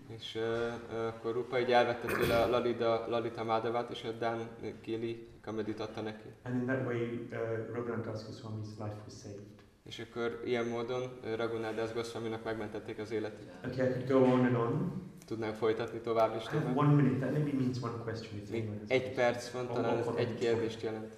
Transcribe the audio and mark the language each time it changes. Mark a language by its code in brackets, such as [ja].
[hu] És akkor Rupa így elvette tőle a Lalita Madhavát, és a Dan Geli Gomanit adta neki. [en] And in that way, Raghunath Das Goswami's life was saved. [hu] És akkor ilyen módon Raghunath Das Goswaminak megmentették az életét. [en] Okay, I could go on and on. [hu] Tudnánk folytatni tovább is. [en] I have 1 minute, that maybe means one question. [hu] Egy perc van, talán ez egy kérdést jelent.